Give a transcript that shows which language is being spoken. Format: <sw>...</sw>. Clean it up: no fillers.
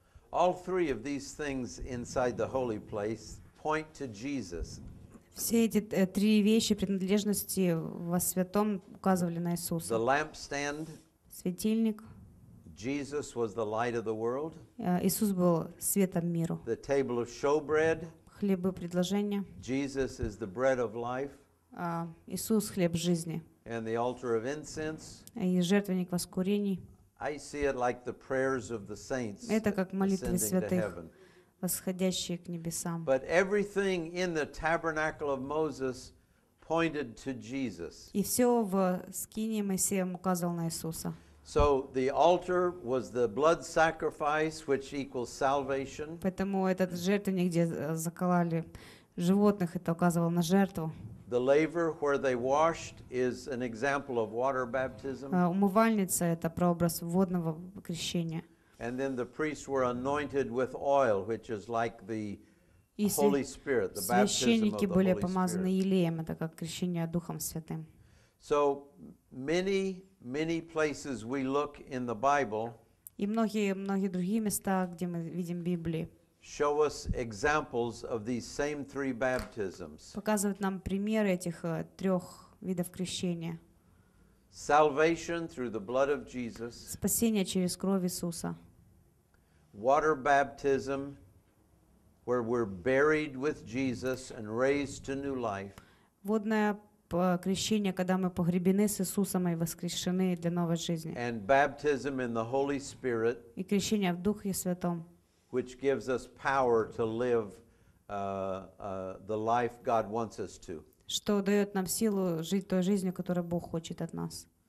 <en>All three of these things inside the holy place point to Jesus.</en> <ru>Все эти три вещи принадлежности во святом указывали на Иисуса.</ru> <en>The lampstand.</en> <ru>Светильник.</ru> <en>Jesus was the light of the world.</en> <ru>Иисус был светом миру.</ru> <en>The table of showbread.</en> <ru>Хлебы предложения.</ru> <en>Jesus is the bread of life.</en> <ru>Иисус хлеб жизни.</ru> <en>And the altar of incense.</en> <ru>И жертвенник воскурений.</ru> <en>I see it like the prayers of the saints ascending to heaven.</en> <ru>Восходящие к небесам.</ru> <en>But everything in the tabernacle of Moses pointed to Jesus.</en> <ru>И всё в скинии Моисея указывало на Иисуса.</ru> <en>So the altar was the blood sacrifice which equals salvation.</en> <ru>Поэтому этот жертвенник, где заколали животных, это указывало на жертву.</ru> <en>The laver where they washed is an example of water baptism.</en> <ru>Умывальница это прообраз водного крещения.</ru> <en>And then the priests were anointed with oil, which is like the Holy Spirit, the baptism of the Holy Spirит.</en> <ru>Священники были помазаны елеем, это как крещение Духом Святым.</ru> <en>So many, many places we look in the Bible.</en> <ru>И многие другие места, где мы видим Библии.</ru> <en>Show us examples of these same three baptisms.</en> <ru>Показывает нам примеры этих трех видов крещения.</ru> <en>Salvation through the blood of Jesus.</en> <ru>Спасение через кровь Иисуса.</ru> <en>Water baptism, where we're buried with Jesus and raised to new life.</en> <ru>Водное крещение, когда мы погребены с Иисусом и воскрешены для новой жизни.</ru> <en>And baptism in the Holy Spirit.</en> <ru>И крещение в Духе Святом.</ru> <en>Which gives us power to live the life God wants us to.</en> <ru>Что дает нам силу жить той жизнью, которую Бог хочет от нас.</ru>